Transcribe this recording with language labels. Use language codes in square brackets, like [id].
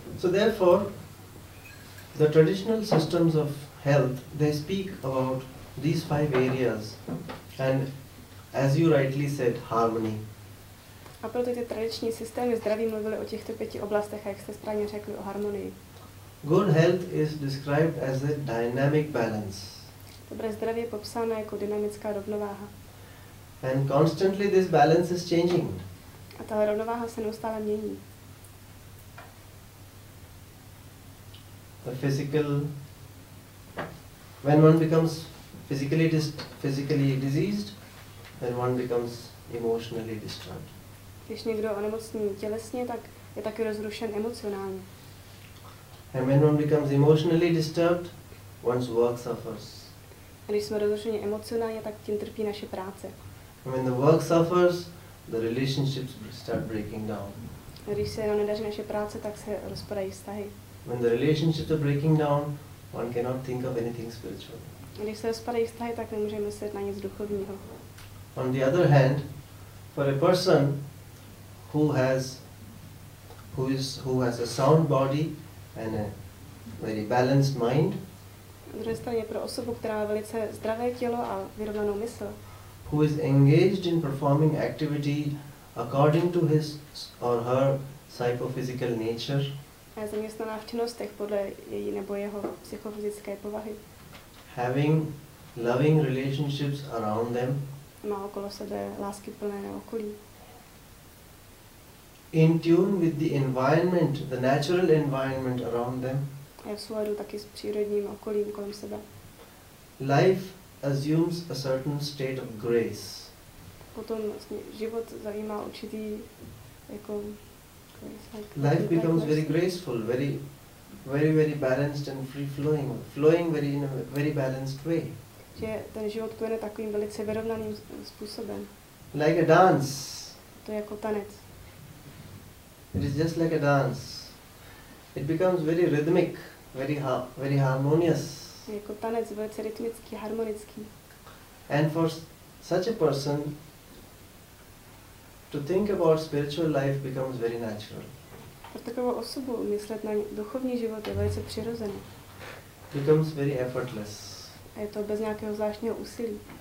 [en] So therefore, the traditional systems of health, they speak about these five areas, and as you rightly said, harmony. [cs] A proto ty tradiční systémy zdraví mluvily o těchto pěti oblastech, a jak jste správně řekli, o harmonii. [en] Good health is described as a dynamic balance. [cs] Dobré zdraví je popsáno jako dynamická rovnováha. [en] And constantly this balance is changing. [cs] A ta rovnováha se neustále mění. [en] The physical, when one becomes physically diseased, then one becomes emotionally disturbed. [cs] Když někdo onemocní tělesně, tak je taky rozrušen emocionálně. [en] And when one becomes emotionally disturbed, one's work suffers. [cs] A když jsme rozrušeni emocionálně, tak tím trpí naše práce. [en] And when the work suffers, the relationships start breaking down. [cs] A když se nám nedaří naše práce, tak se rozpadají vztahy. [en] When the relationships are breaking down, one cannot think of anything spiritual. [cs] Když se rozpadají vztahy, tak nemůže myslet na nic duchovního. [en] On the other hand, for a person who has a sound body and a very balanced mind, [cs] na druhé straně pro osobu, která má velice zdravé tělo a vyrovnanou mysl, [en] who is engaged in performing activity according to his or her psychophysical nature, [cs] a je zaměstnaná v činnostech podle její nebo jeho psychofyzické povahy, [en] having loving relationships around them, [cs] má okolo sebe lásky plné okolí, [en] in tune with the environment, the natural environment around them, [cs] je v souladu taky s přírodním okolím kolem sebe, [en] life assumes a certain state of grace, [cs] potom život zajímá určitý jako [en] life becomes very graceful, very very very balanced and free flowing very in a very balanced way, [cs] že ten život plyne takovým velice vyrovnaným způsobem, [en] like a dance, [cs] to je jako tanec. [en] It is just like a dance. It becomes very rhythmic, very harmonious. [cs] Jako tanec, velice rytmický, harmonický. [en] And for such a person, to think about spiritual life becomes very natural. [cs] Pro takovou osobu myslet na duchovní život je velice přirozené. [en] Becomes very effortless. [cs] A je to bez nějakého zvláštního úsilí.